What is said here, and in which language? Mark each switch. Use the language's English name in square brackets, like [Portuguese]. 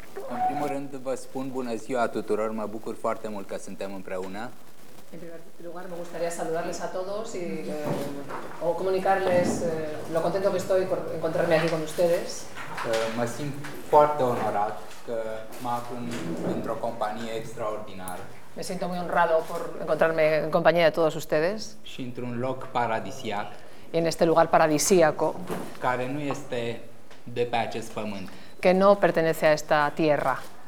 [Romanian] În primul rând vă spun bună ziua tuturor, mă bucur foarte mult că suntem împreună. În primul rând, [Spanish] mă gustaría saludarles a todos y o comunicarles lo contento que estoy por encontrarme aquí con ustedes. [Romanian] Mă simt foarte onorat că mă aflu într-o companie extraordinară. [Spanish] Me siento muy honrado por encontrarme en compañía de todos ustedes. [Romanian] Și într-un loc paradisiac. [Spanish] En este lugar paradisíaco. [Romanian] Care nu este de pe acest pământ. [Spanish] Que no pertenece a esta tierra.